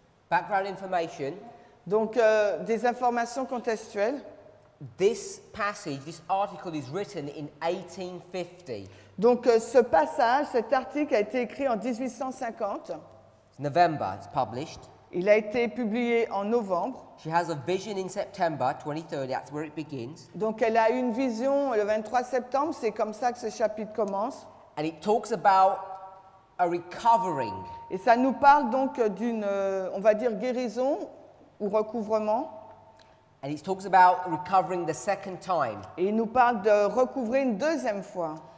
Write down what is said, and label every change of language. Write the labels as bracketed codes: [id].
[en] Background information. [fr] Donc, des informations contextuelles. [en] This passage, this article is written in 1850. [fr] Donc, ce passage, cet article a été écrit en 1850. [en] It's November, it's published. [fr] Il a été publié en novembre. [en] She has a vision in September 23rd, that's where it begins. [fr] Donc elle a une vision le 23 septembre, c'est comme ça que ce chapitre commence. [en] And it talks about a recovering. [fr] Et ça nous parle donc d'une, on va dire, guérison ou recouvrement. [en] And it talks about recovering the second time. [fr] Et il nous parle de recouvrer une deuxième fois.